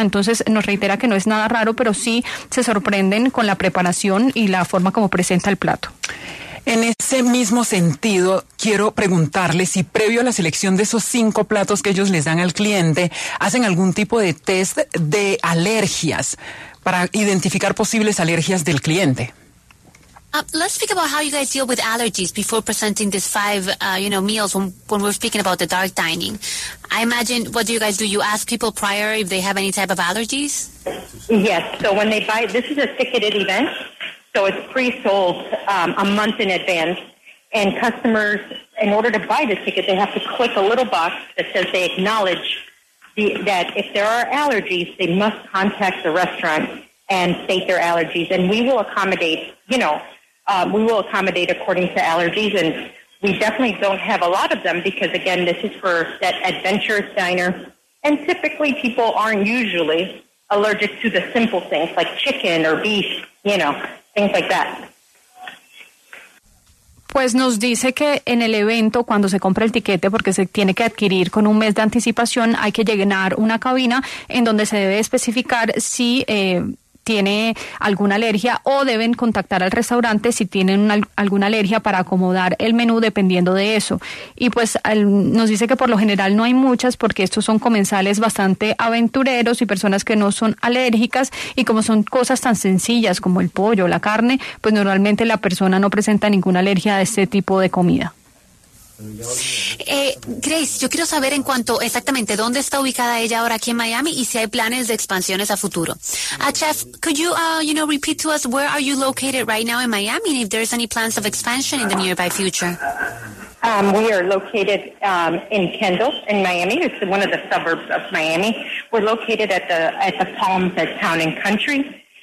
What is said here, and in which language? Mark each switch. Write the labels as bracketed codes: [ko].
[es] Entonces nos reitera que no es nada raro, pero sí se sorprenden con la preparación y la forma como presenta el plato. En ese mismo sentido, quiero preguntarle si previo a la selección de esos 5 platos que ellos les dan al cliente, hacen algún tipo de test de alergias para identificar posibles alergias del cliente. [en] Let's speak about how you guys deal with allergies before presenting these 5, meals when we're speaking about the dark dining. I imagine, what do you guys do? You ask people prior if they have any type of allergies? Yes. So when they buy, this is a ticketed event, so it's pre-sold a month in advance. And customers, in order to buy the ticket, they have to click a little box that says they acknowledge that if there are allergies, they must contact the restaurant and state their allergies, and we will accommodate, we will accommodate according to allergies, and we definitely don't have a lot of them because, again, this is for that adventurous diner, and typically people aren't usually allergic to the simple things like chicken or beef, you know, things like that. [es] Pues nos dice que en el evento, cuando se compra el tiquete, porque se tiene que adquirir con un mes de anticipación, hay que llenar una cabina en donde se debe especificar si tiene alguna alergia o deben contactar al restaurante si tienen alguna alergia para acomodar el menú dependiendo de eso. Y pues nos dice que por lo general no hay muchas porque estos son comensales bastante aventureros y personas que no son alérgicas, y como son cosas tan sencillas como el pollo o la carne, pues normalmente la persona no presenta ninguna alergia a este tipo de comida. Grace, yo quiero saber en cuanto exactamente dónde está ubicada ella ahora aquí en Miami y si hay planes de expansiones a futuro. [en] Chef, could you, repeat to us where are you located right now in Miami and if there's any plans of expansion in the nearby future? We are located in Kendall, in Miami. It's one of the suburbs of Miami. We're located at the Palms at Town and Country.